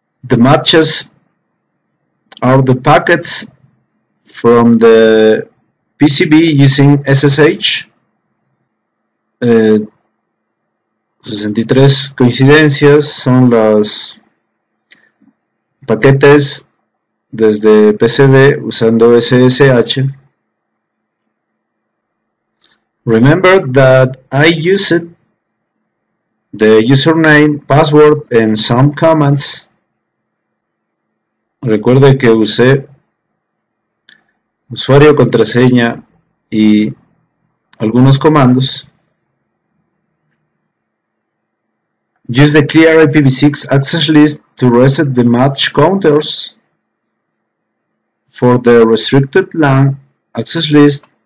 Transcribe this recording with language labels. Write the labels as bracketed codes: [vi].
[en] The matches are the packets from the PCB using SSH. [es] 63 coincidencias son los paquetes desde PCB usando SSH. [en] Remember that I used the username, password and some commands. [es] Recuerde que usé usuario, contraseña y algunos comandos. [en] Use the clear IPv6 access list to reset the match counters for the restricted LAN access list.